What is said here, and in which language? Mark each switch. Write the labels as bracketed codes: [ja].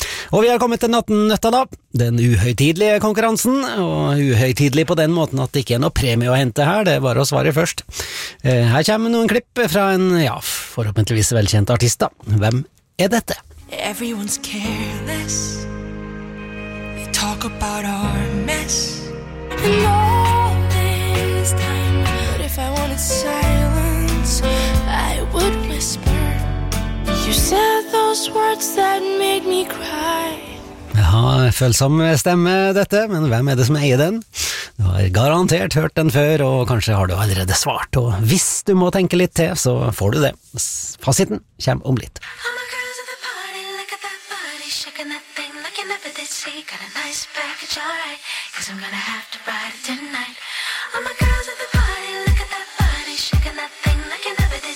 [no] Og vi har kommet til natten nøtta da, den uhøytidlige konkurransen, og uhøytidlig på den måten at det ikke noe premie å hente her, det bare å svare først. Her kommer noen klipp fra en, ja, forhåpentligvis velkjent artist da. Hvem dette? [en] Everyone's careless We talk about our mess And all this time But if I wanted silence I would whisper You said those words that make me cry [no] Jaha, følsom stemme dette, men hvem det som eier den? Du har garantert hørt den før, og kanskje har du allerede svart, og hvis du må tenke litt til, så får du det. Fasiten kommer om litt. [en] All my girls at the party, look at that body, shaking that thing, looking at